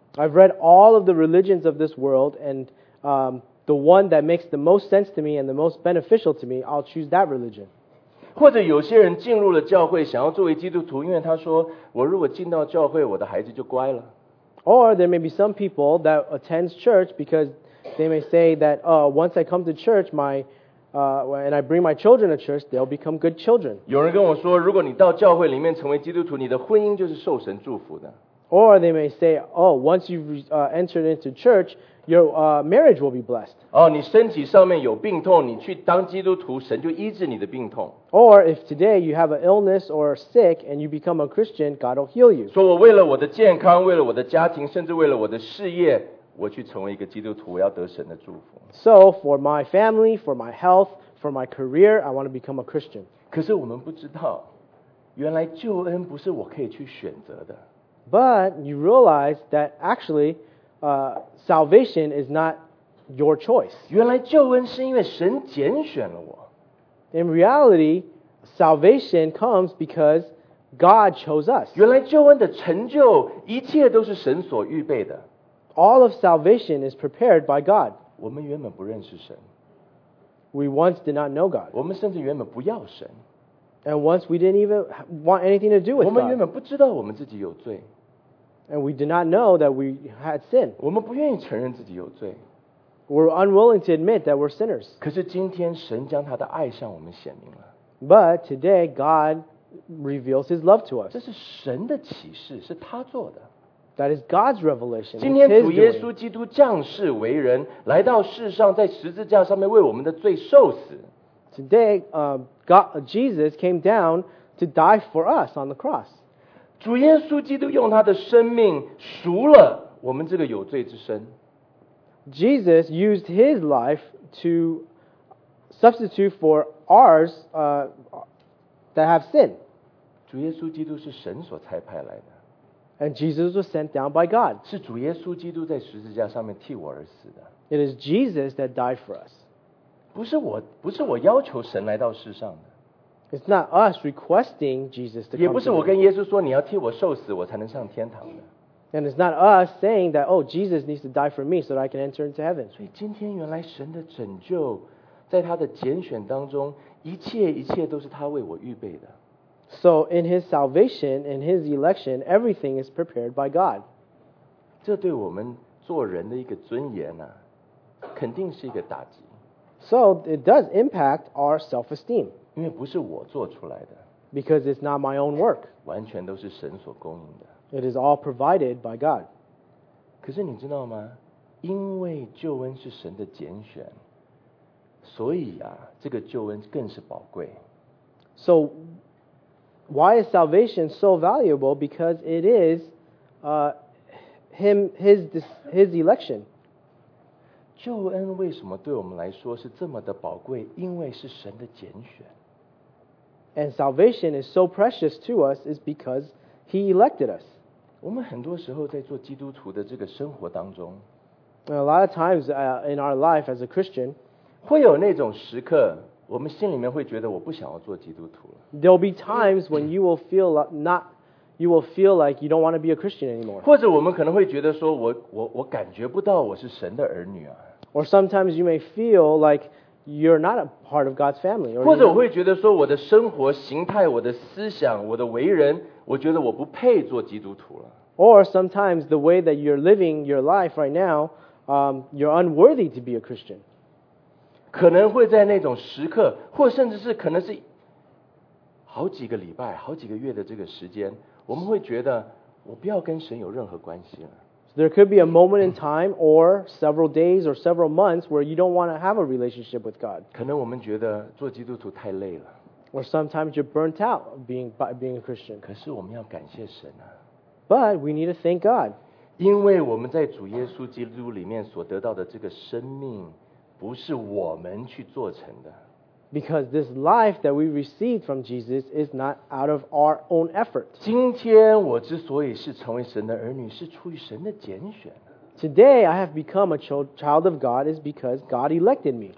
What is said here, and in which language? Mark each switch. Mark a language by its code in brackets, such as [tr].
[en] I've read all of the religions of this world, and the one that makes the most sense to me and the most beneficial to me, I'll choose that religion. [zh] 或者有些人进入了教会想要作为基督徒，因为他说我如果进到教会我的孩子就乖了。 [en] Or there may be some people that attends church because they may say that once I come to church and I bring my children to church, they'll become good children. [zh] 有人跟我说如果你到教会里面成为基督徒，你的婚姻就是受神祝福的。 [en] Or they may say, oh, once you've entered into churchYour marriage will be blessed. [zh] 哦，你身体上面有病痛，你去当基督徒，神就医治你的病痛。 [en] Or if today you have an illness or sick and you become a Christian, God will heal you. [zh] 说我为了我的健康，为了我的家庭，甚至为了我的事业，我去成为一个基督徒，我要得神的祝福。 [en] So for my family, for my health, for my career, I want to become a Christian. [zh] 可是我们不知道，原来救恩不是我可以去选择的。 [en] But you realize that actually,salvation is not your choice. [zh] 原来救恩是因为神拣选了我。 [en] In reality, salvation comes because God chose us. [zh] 原来救恩的成就一切都是神所预备的。 [en] All of salvation is prepared by God. [zh] 我们原本不认识神。 [en] We once did not know God. [zh] 我们甚至原本不要神。 [en] And once we didn't even want anything to do with God. [zh] 我们原本不知道我们自己有罪。 [en] And we did not know that we had sin. [zh] 我们不愿意承认自己有罪。 [en] We're unwilling to admit that we're sinners. [zh] 可是今天神将他的爱向我们显明了。 [en] But today God reveals his love to us. [zh] 这是神的启示，是他做的。 [en] That is God's revelation. [zh] 今天主耶稣基督降世为人，来到世上，在十字架上面为我们的罪受死。 [en] Today, Jesus came down to die for us on the cross. [zh] 主耶稣基督用他的生命赎了我们这个有罪之身。 [en] Jesus used his life to substitute for ours that have sin. [zh] 主耶稣基督是神所差派来的。 [en] And Jesus was sent down by God. [zh] 是主耶稣基督在十字架上面替我而死的。 [en] It is Jesus that died for us. [zh] 不是我要求神来到世上的。 [en] It's not us requesting Jesus to come. [zh] 也不是我跟耶稣说你要替我受死我才能上天堂的。 [en] And it's not us saying that, oh, Jesus needs to die for me so that I can enter into heaven. [zh] 所以今天原来神的拯救在他的拣选当中，一切一切都是他为我预备的。 [en] So in his salvation, in his election, everything is prepared by God. [zh] 这对我们做人的一个尊严啊，肯定是一个打击。 [en] So it does impact our self-esteem. [zh] 因为不是我做出来的。 [en] Because it's not my own work. [zh] 完全都是神所供应的。 [en] It is all provided by God. [zh] 可是你知道吗？因为救恩是神的拣选，所以啊，这个救恩更是宝贵。 [en] So, why is salvation so valuable? Because it is his election. [zh] 救恩为什么对我们来说是这么的宝贵？因为是神的拣选。 [en] And salvation is so precious to us is because he elected us. [zh] 我们很多时候在做基督徒的这个生活当中， [en] a lot of times in our life as a Christian, [zh] 会有那种时刻，我们心里面会觉得我不想要做基督徒了。 [en] There will be times when you will feel you will feel like you don't want to be a Christian anymore. [zh] 或者我们可能会觉得说我感觉不到我是神的儿女啊。 [en] Or sometimes you may feel like you're not a part of God's family. [zh] 或者我会觉得说我的生活形态、我的思想、我的为人，我觉得我不配做基督徒了。 [en] Or sometimes the way that you're living your life right now, you're unworthy to be a Christian. [zh] 可能会在那种时刻，或甚至是可能是好几个礼拜、好几个月的这个时间，我们会觉得我不要跟神有任何关系了。 [en] So there could be a moment in time or several days or several months where you don't want to have a relationship with God. [zh] 可能我们觉得做基督徒太累了。 [en] Or sometimes you're burnt out by being a Christian. [zh] 可是我们要感谢神啊。 [en] But we need to thank God. [zh] 因为我们在主耶稣基督里面所得到的这个生命不是我们去做成的。 [en] Because this life that we received from Jesus is not out of our own effort. [zh] 今天我之所以是成为神的儿女，是出于神的拣选。 Today I have become a child of God is because God elected me.